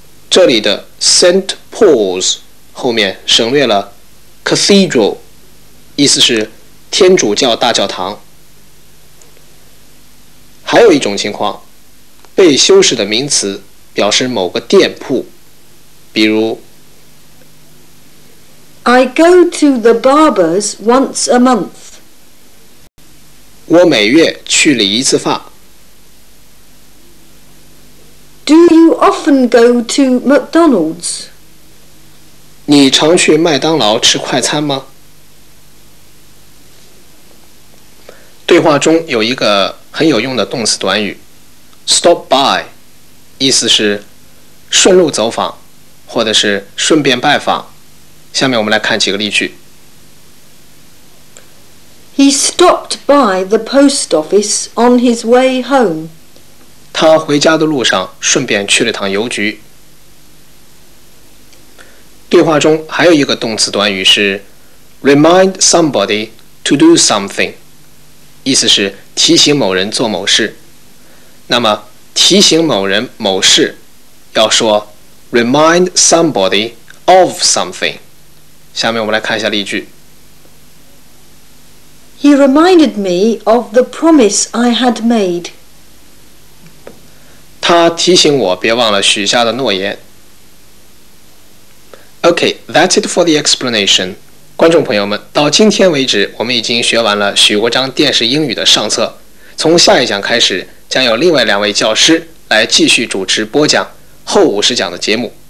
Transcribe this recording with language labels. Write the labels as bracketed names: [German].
[Chinese] 这里的 St. Paul's 后面省略了 Cathedral， 意思是天主教大教堂。还有一种情况，被修饰的名词表示某个店铺，比如 [English] I go to the barber's once a month. [Chinese] 我每月去理一次发。 [English] Do you often go to McDonald's? [Chinese] 你常去麦当劳吃快餐吗？对话中有一个很有用的动词短语 stop by， 意思是顺路走访或者是顺便拜访。下面我们来看几个例句。 [English] He stopped by the post office on his way home. [Chinese] 他回家的路上顺便去了趟邮局。对话中还有一个动词短语是 [English] remind somebody to do something， [Chinese] 意思是提醒某人做某事。那么提醒某人某事要说 [English] remind somebody of something。 [Chinese] 下面我们来看一下例句。 [English] He reminded me of the promise I had made. [Chinese] 他提醒我别忘了许下的诺言。 [English] OK, that's it for the explanation. [Chinese] 观众朋友们，到今天为止，我们已经学完了许国璋电视英语的上册。从下一讲开始，将有另外两位教师来继续主持播讲后五十讲的节目。